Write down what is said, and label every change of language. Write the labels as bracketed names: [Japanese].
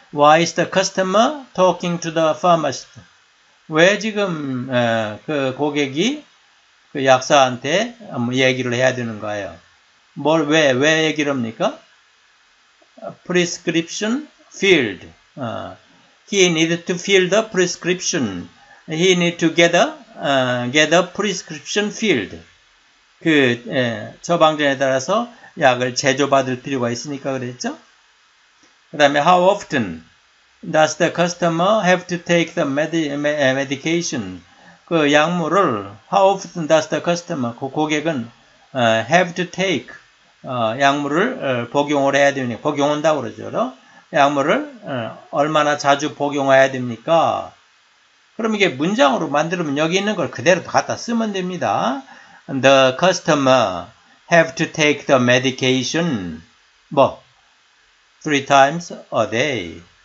[English] Why is the customer talking to the pharmacist? [Korean] 왜 지금 그 고객이 그 약사한테 얘기를 해야 되는 거예요? 뭘 왜 얘기를 합니까? [English] Prescription filled. He needed to fill the prescription. He need to get a prescription filled. [Korean] 그 처방전에 따라서 약을 제조받을 필요가 있으니까 그랬죠? 그 다음에 [English] how often? Does the customer have to take the medication? [Korean] 그 약물을 [English] how often does the customer [Korean] 그 고객은 [English] have to take [Korean] 약물을 복용을 해야 됩니까? 복용한다고 그러죠. 약물을 얼마나 자주 복용해야 됩니까? 그럼 이게 문장으로 만들면 여기 있는 걸 그대로 갖다 쓰면 됩니다. [English] The customer have to take the medication 뭐 three times a day.